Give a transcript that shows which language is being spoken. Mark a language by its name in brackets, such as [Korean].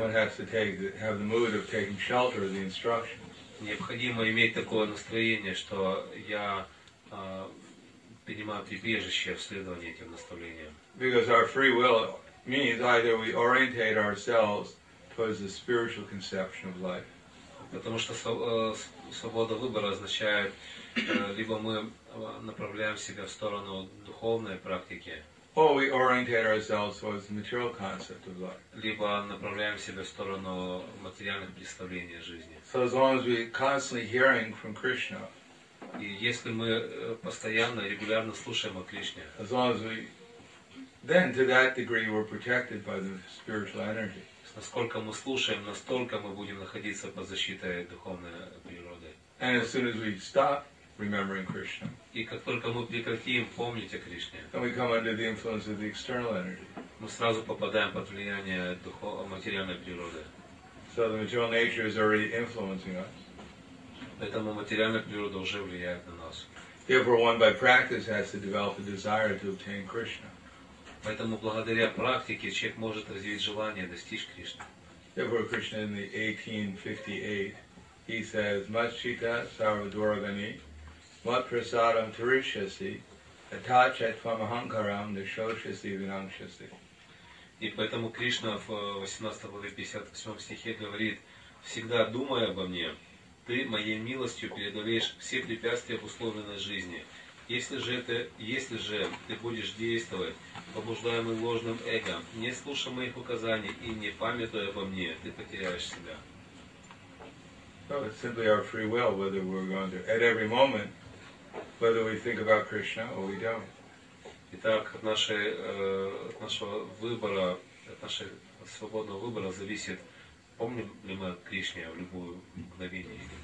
[English] One has to have the mood of taking shelter of the instructions. [Russian] Необходимо иметь такое настроение, что я принимаю прибежище в следовании этим наставлениям. [English] Because our free will means either we orientate ourselves towards the spiritual conception of life. [Russian] Потому что свобода выбора означает, либо мы направляем себя в сторону духовной практики, [English] or we orientate ourselves towards the material concept of life. [Russian] Либо направляем себя в сторону материальных представлений жизни. [English] So as long as we constantly hearing from Krishna, [Russian] и если мы постоянно, регулярно слушаем о Кришне, [English] as long as we, then to that degree we're protected by the spiritual energy. [Russian] Насколько мы слушаем, настолько мы будем находиться под защитой духовной природы. [English] And as soon as we stop remembering Krishna, [Russian] и как только мы прекратим помнить о Кришне, [English] then we come under the influence of the external energy. [Russian] Мы сразу попадаем под влияние материальной природы. [English] So the material nature is already influencing us. [Russian] Поэтому материальная природа уже влияет на нас. [English] Therefore, one by practice has to develop a desire to obtain Krishna. [Russian] Поэтому благодаря практике человек может развить желание достичь Кришны. [English] Therefore, Krishna in the 1858, he says, [Sanskrit] Machita Sarvadvargani, Mat Prasadam Tarishasi, Atachat Famahankaram Nishoshasi Vinangshasi. [Russian] И поэтому Кришна в 18 главе 58 стихе говорит, всегда думай обо мне, ты моей милостью преодолеешь все препятствия в условленной жизни, Если же ты будешь действовать, побуждаемый ложным эго, не слушая моих указаний и не памятуя обо мне, ты потеряешь себя. [English] It's simply our free will whether we're going to, at every moment, whether we think about Krishna or we don't. [Russian] Итак, от нашего свободного выбора зависит, помним ли мы о Кришне в любое мгновение.